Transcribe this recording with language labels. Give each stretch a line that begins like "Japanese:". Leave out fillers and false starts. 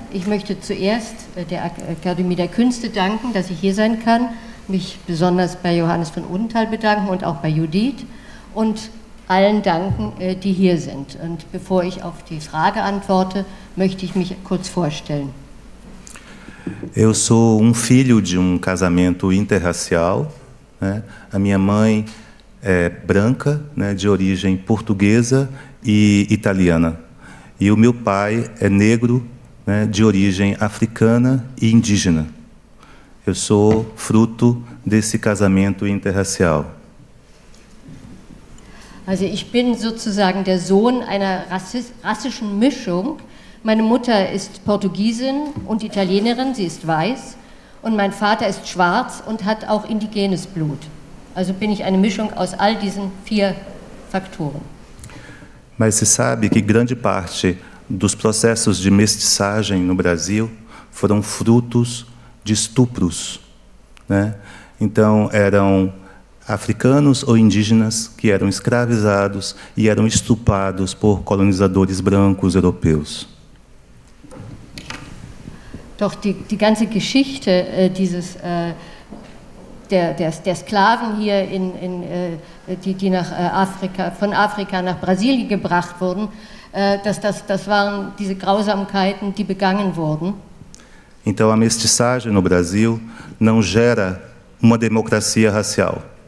German: Ich möchte zuerst der Akademie der Künste danken, dass ich hier sein kann, mich besonders bei Johannes von Odenthal bedanken und auch bei Judith und allen danken, die hier sind. Und bevor ich auf die Frage antworte, möchte ich mich kurz vorstellen.
Portuguese: Eu sou filho de casamento interracial, A minha mãe é branca, de origem portuguesa e italiana. E o meu pai é negro, de origem africana e indígena. Eu sou fruto desse casamento interracial.
German: Also ich bin sozusagen der Sohn einer rassischen Mischung. Meine Mutter ist Portugiesin und Italienerin, sie ist weiß. Und mein Vater ist schwarz und hat auch indigenes Blut. Also bin ich eine Mischung aus all diesen vier Faktoren.
Portuguese: Mas você sabe que grande parte dos processos de mestiçagem no Brasil foram frutos de estupros, Então eram africanos ou indígenas que eram escravizados e eram estuprados por colonizadores brancos europeus.
German: Doch die ganze Geschichte dieses der Sklaven hier in die nach Afrika von Afrika nach Brasilien gebracht wurden, das waren diese Grausamkeiten, die begangen wurden.
Portuguese: Então a mestiçagem no Brasil não gera uma democracia racial.